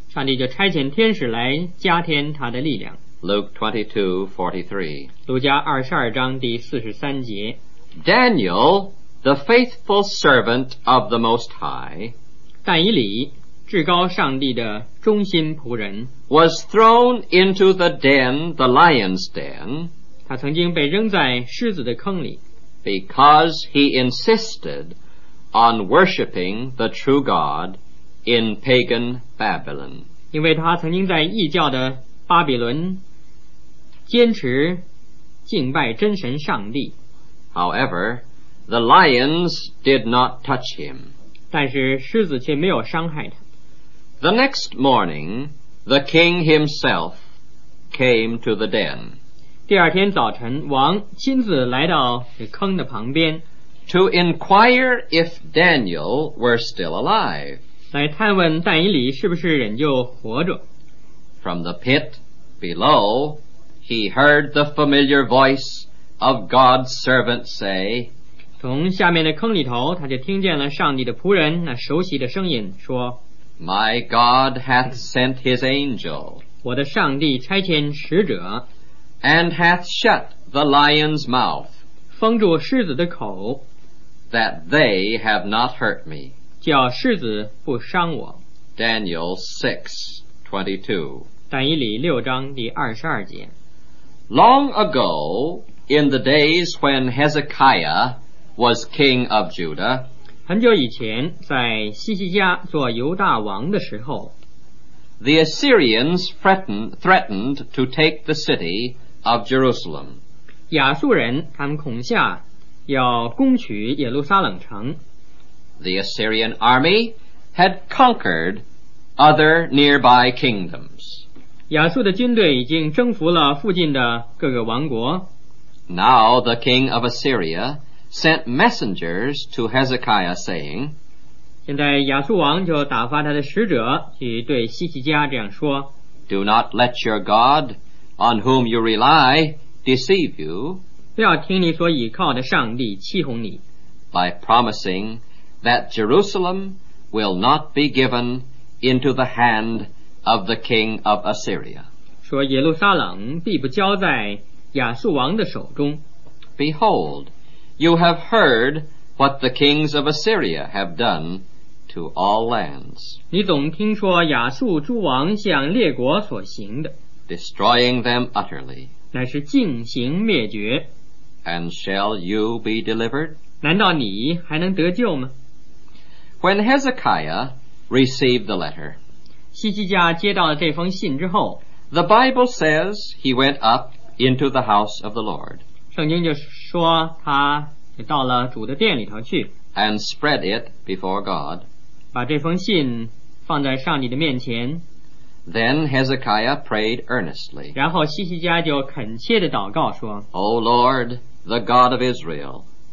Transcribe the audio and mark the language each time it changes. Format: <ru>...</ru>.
<zh>上帝就差遣天使来加添他的力量。</zh> <en>Luke 22:43,</en> <zh>路加22章第43节。</zh> <en>Daniel, the faithful servant of the Most High,</en> <zh>但以理至高上帝的忠心仆人</zh> <en>was thrown into the den, the lion's den,</en> <zh>他曾经被扔在狮子的坑里</zh> <en>because he insisted on worshipping the true God in pagan Babylon.</en> <zh>因为他曾经在异教的巴比伦坚持敬拜真神上帝。</zh> <en>However, the lions did not touch him.</en> <zh>但是狮子却没有伤害他。</zh> <en>The next morning, the king himself came to the den.</en> <zh>第二天早晨，王亲自来到坑的旁边</zh> <en>to inquire if Daniel were still alive.</en> <zh>来探问但以理是不是仍旧活着。</zh> <en>From the pit, below, he heard the familiar voice of God's servant say,</en> <zh>从下面的坑里头，他就听见了上帝的仆人那熟悉的声音说，</zh> <en>My God hath sent his angel,</en> <zh>我的上帝差遣使者，</zh> <en>and hath shut the lion's mouth,</en> <zh>封住狮子的口，</zh> <en>that they have not hurt me,</en> <zh>叫狮子不伤我。</zh> <en>Daniel 6:22.</en> <zh>但以理六章第二十二节。</zh> <en>Long ago, in the days when Hezekiah was king of Judah,</en> <zh>很久以前，在西西家做犹大王的时候，</zh> <en>the Assyrians threatened to take the city of Jerusalem.</en> <zh>亚述人他们恐吓要攻取耶路撒冷城。</zh> <en>The Assyrian army had conquered other nearby kingdoms.</en> <zh>亚述的军队已经征服了附近的各个王国。</zh> <en>Now the king of Assyria sent messengers to Hezekiah saying,</en> <zh>现在亚述王就打发他的使者去对西西家这样说，</zh> <en>Do not let your God on whom you rely deceive you,</en> <zh>不要听你所倚靠的上帝欺哄你，</zh> <en>by promising that Jerusalem will not be given into the hand of the king of Assyria.</en> <zh>说耶路撒冷必不交在亚述王的手中。</zh> <en>Behold, you have heard what the kings of Assyria have done to all lands.</en> <zh>你总听说亚述诸王向列国所行的，</zh> <en>destroying them utterly,</en> <zh>乃是进行灭绝。</zh> <en>And shall you be delivered?</en> <zh>难道你还能得救吗？</zh> <en>When Hezekiah received the letter,</en> <zh>西西家接到了这封信之后，</zh> <en>the Bible says he went up into the house of the Lord,</en> <zh>圣经就说他到了主的殿里头去，</zh> <en>and spread it before God,</en> <zh>把这封信放在上帝的面前。</zh> <en>Then Hezekiah prayed earnestly,</en> <zh>然后西西家就恳切地祷告说，</zh> <en>O Lord, the God of Israel,</en>